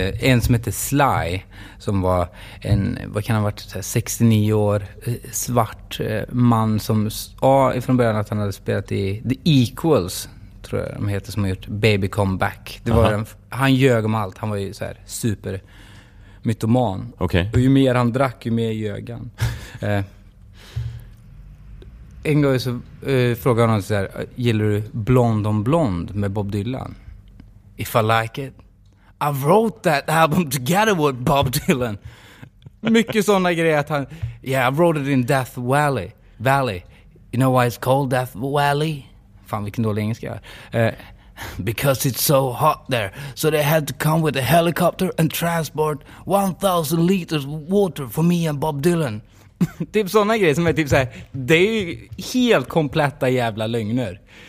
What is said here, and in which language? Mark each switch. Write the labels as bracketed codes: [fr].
[sv] En som heter Sly, som var en, vad kan ha varit, 69 år, svart man som sa från början att han hade spelat i The Equals, tror jag de heter, som har gjort Baby Comeback. Han ljög om allt, han var ju så här super... mytoman. [en] Okay. [sv] Och ju mer han drack, ju mer ljög han. En gång så frågade han så här: gillar du Blond on Blond med Bob Dylan? [en] If I like it, I wrote that album together with Bob Dylan. [sv] Mycket sådana grejer att han... [en] Yeah, I wrote it in Death Valley. You know why it's called Death Valley? [sv] Fan, vilken dålig engelska. [en] Because it's so hot there, so they had to come with a helicopter and transport 1000 liters water for me and Bob Dylan. [sv] Typ såna grejer som är typ så här, det är ju helt kompletta jävla lögner.